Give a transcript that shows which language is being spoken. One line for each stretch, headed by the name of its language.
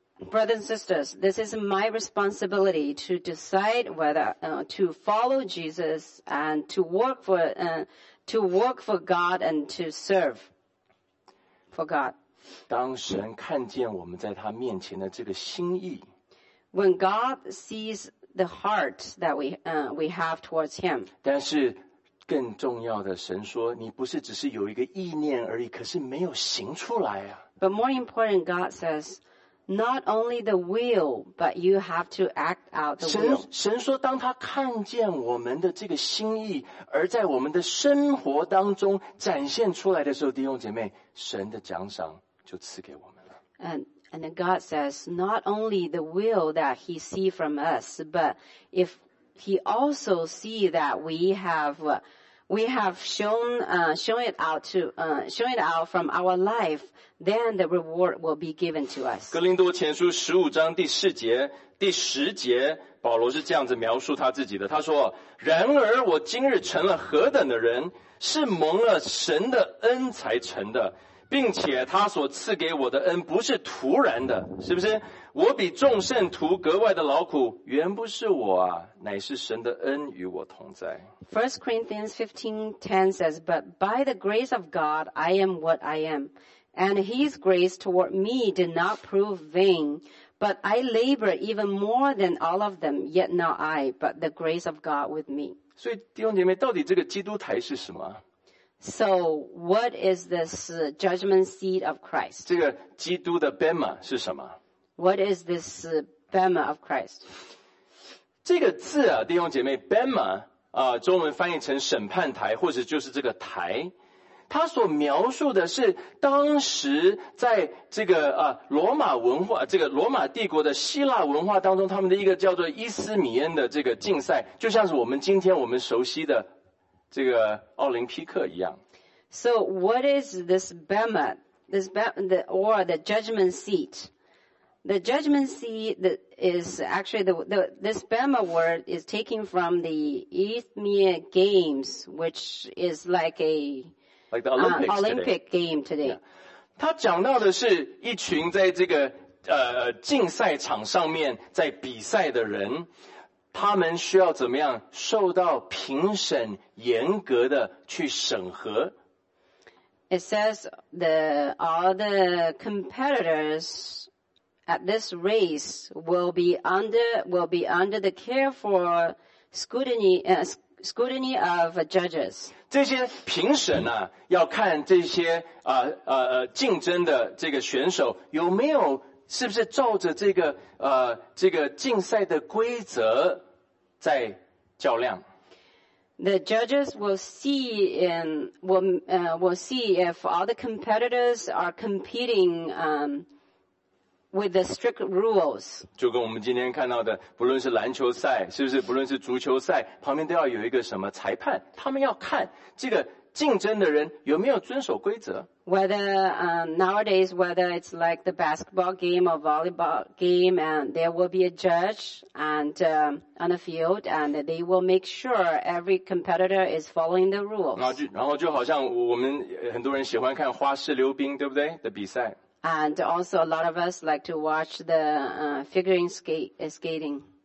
English: Brothers and sisters, this is my responsibility to decide whether to follow Jesus and to work for God and to serve for God.
Chinese: 当神看见我们在他面前的这个心意。
English: When God sees the heart that we have towards him.
Chinese: 但是更重要的，神说你不是只是有一个意念而已，可是没有行出来啊。
English: But more important, God says, not only the will, but you have to act out the will.
Chinese: 神说当他看见我们的这个心意而在我们的生活当中展现出来的时候，弟兄姐妹，神的奖赏就赐给我们了。
English: And God says, not only the will that he see from us, but if he also see that we have shown it out from our life, then the reward will be given to us.
Chinese: 哥林多前书15章第4节、第10节，保罗是这样子描述他自己的。他说，然而我今日成了何等的人，是蒙了神的恩才成的，并且他所赐给我的恩不是徒然的，是不是？我比众圣徒格外的劳苦，原不是我啊，乃是神的恩与我同在。
English: 1 Corinthians 15:10 says, But by the grace of God, I am what I am. And his grace toward me did not prove vain. But I labor even more than all of them, yet not I, but the grace of God with me.
Chinese: 所以弟兄姐妹，到底这个基督台是什么？
English: So, what is this judgment seat of Christ?
Chinese: 这个基督的 Bema 是什么？
English: What is this Bema of Christ?
Chinese: 这个字啊，弟兄姐妹， Bema 中文翻译成审判台，或者就是这个台，它所描述的是当时在这个罗马文化，这个罗马帝国的希腊文化当中，他们的一个叫做伊斯米恩的这个竞赛，就像是我们今天我们熟悉的这个奥林匹克一样。
English: So what is this Bema? This Bema, or the judgment seat? The judgment seat is actually this Bema word is taken from the Isthmian Games, which is like a like the Olympics Olympic game today.
Chinese: 他讲到的是一群在这个竞赛场上面在比赛的人。他们需要怎么样受到评审严格的去审核。
English: It says all the competitors at this race will be under the careful scrutiny of judges.
Chinese: 这些评审啊，要看这些竞争的这个选手有没有是不是照着这个竞赛的规则在较量。
English: The judges will see if all the competitors are competing with the strict rules.
Chinese: 就跟我们今天看到的，不论是篮球赛，是不是？不论是足球赛，旁边都要有一个什么裁判，他们要看这个竞争的人有没有遵守规则。
English: Whether nowadays, whether it's like the basketball game or volleyball game, and there will be a judge and on the field, and they will make sure every competitor is following the rules.
Chinese: 然后就好像我们很多人喜欢看花式溜冰，对不对？的比赛。
English: And also, a lot of us like to watch the figure skating.